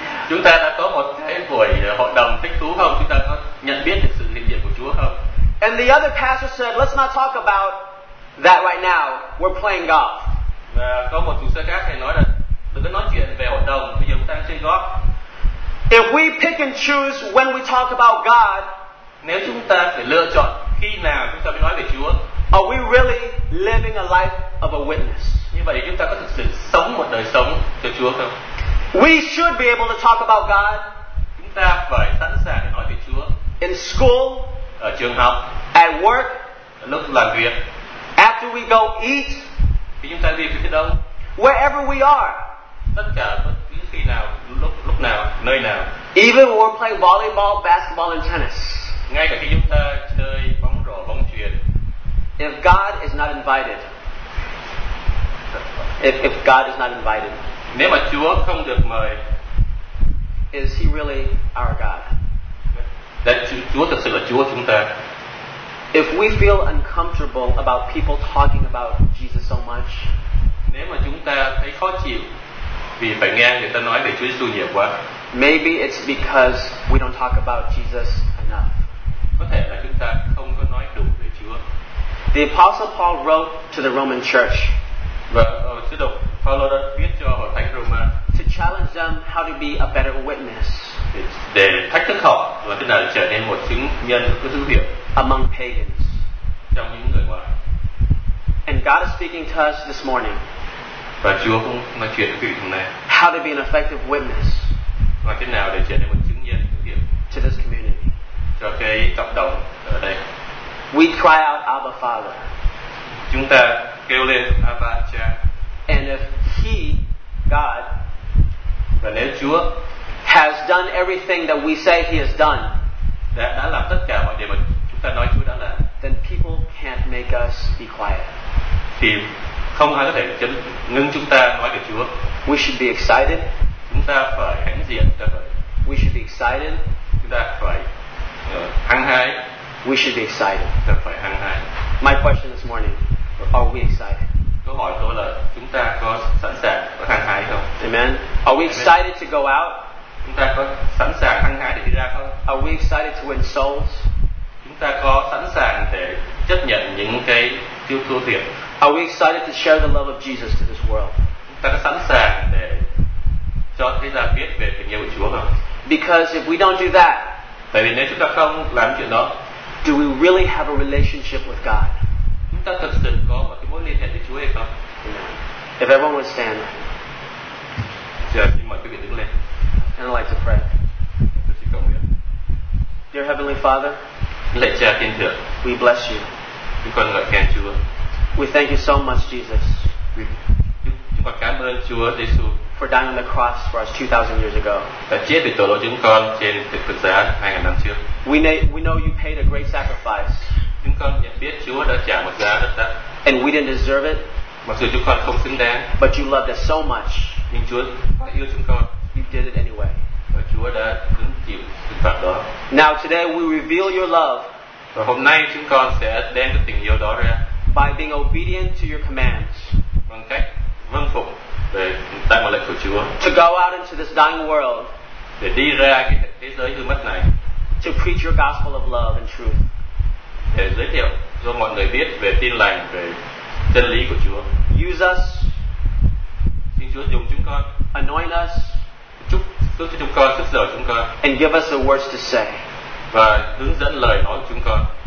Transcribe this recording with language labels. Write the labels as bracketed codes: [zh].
[vi] Chúng ta đã có một cái buổi hội đồng thích thú không? Chúng ta có nhận biết được sự hiện diện của Chúa không? [en] And the other pastor said, "Let's not talk about that right now. We're playing golf." [vi] Và có một chủ sơ khác thì nói là đừng có nói chuyện về hội đồng, bây giờ chúng ta đang chơi golf. [en] If we pick and choose when we talk about God, [vi] nếu chúng ta phải lựa chọn khi nào chúng ta mới nói về Chúa, [en] are we really living a life of a witness? [vi] Như vậy chúng ta có thực sự sống một đời sống cho Chúa không? [en] We should be able to talk about God. [vi] Chúng ta phải sẵn sàng để nói về Chúa. [en] In school. [vi] Ở trường học. [en] At work. [vi] Ở lúc làm việc. [en] After we go eat. [vi] Khi chúng ta đi phía đâu? [en] Wherever we are. [vi] Tất cả bất cứ khi nào, lúc nào, nơi nào. [en] Even when we're playing volleyball, basketball, and tennis. [vi] Ngay cả khi chúng ta chơi bóng rổ, bóng chuyền. [en] If God is not invited. If God is not invited. [vi] Nếu mà Chúa không được mời, [en] is He really our God? [vi] Là Chúa thực sự là Chúa chúng ta. [en] If we feel uncomfortable about people talking about Jesus so much, [vi] nếu mà chúng ta thấy khó chịu vì phải nghe người ta nói về Chúa Giêsu nhiều quá, [en] maybe it's because we don't talk about Jesus enough. [vi] Có thể là chúng ta không có nói đủ về Chúa. [en] The Apostle Paul wrote to the Roman Church. [vi] Và sứ đồ Paulo đã viết cho hội thánh Roma. [en] To challenge them how to be a better witness. [vi] Để thách thức họ và thế nào trở nên một chứng nhân có dấu hiệu. [en] Among pagans. [vi] Trong những người ngoài. [en] And God is speaking to us this morning. [vi] Và Chúa cũng nói chuyện với quý vị hôm nay. [en] How to be an effective witness. [vi] Và thế nào để trở nên một chứng nhân dấu hiệu. [en] To this community. [vi] Cho cái cộng đồng ở đây. [en] We cry out, Abba Father. [vi] Chúng ta kêu lên Abba Cha. [en] And if He, God, [vi] và nếu Chúa [en] has done everything that we say He has done, [vi] đã làm tất cả mọi điều mà chúng ta nói Chúa đã làm, [en] then people can't make us be quiet. [vi] Thì không ai có thể ngưng chúng ta nói về Chúa. [en] We should be excited. [vi] Chúng ta phải hãnh diện. [en] We should be excited. [vi] Chúng ta phải hăng hái. [en] We should be excited. [vi] Chúng ta phải hăng hái. [en] My question this morning, are we excited? [vi] Câu hỏi tôi là chúng ta có sẵn sàng và hăng hái không? [en] Amen. Are we excited to go out? [vi] Chúng ta có sẵn sàng hăng hái để đi ra không? [en] Are we excited to win souls? [vi] Chúng ta có sẵn sàng để chấp nhận những cái tiêu thua thiệt? [en] Are we excited to share the love of Jesus to this world? [vi] Chúng ta có sẵn sàng để cho thế giới biết về tình yêu của Chúa không? [en] Because if we don't do that, [vi] tại vì nếu chúng ta không làm chuyện đó, [en] do we really have a relationship with God? [vi] Chúng ta thực sự có một cái mối liên hệ với Chúa hay không? [en] If everyone would stand. [vi] Giờ xin mời quý vị đứng lên. [en] And I'd like to pray. [vi] Tôi xin cầu nguyện. [en] Dear Heavenly Father. [vi] Lạy Cha thiên thượng. [en] We bless you. [vi] Chúng con ngợi khen Chúa. [en] We thank you so much, Jesus. [vi] Chúng con cảm ơn Chúa Giêsu. [en] For dying on the cross for us 2,000 years ago. [vi] Đã chết vì tội lỗi chúng con trên thập tự giá 2,000 năm trước. [en] We know you paid a great sacrifice. [vi] Chúng con nhận biết Chúa đã trả một giá rất đắt. [en] And we didn't deserve it. [vi] Mặc dù chúng con không xứng đáng. [en] But you loved us so much. [vi] Nhưng Chúa đã yêu chúng con. [en] You did it anyway. [vi] Và Chúa đã hứng chịu sự phạt đó. [en] Now today we reveal your love. [vi] Và hôm nay chúng con sẽ đem cái tình yêu đó ra. [en] By being obedient to your commands. [vi] Bằng cách vâng phục về tại mệnh lệnh của Chúa. [en] To go out into this dying world. [vi] Để đi ra cái thế giới hư mất này. [en] To preach your gospel of love and truth. [vi] Để giới thiệu cho mọi người biết về tin lành, về chân lý của Chúa. [en] Use us. [vi] Xin Chúa dùng chúng con. [en] Anoint us. [vi] Chúc cho chúng con, sức giàu chúng con. [en] And give us the words to say. [vi] Và hướng dẫn lời nói chúng con.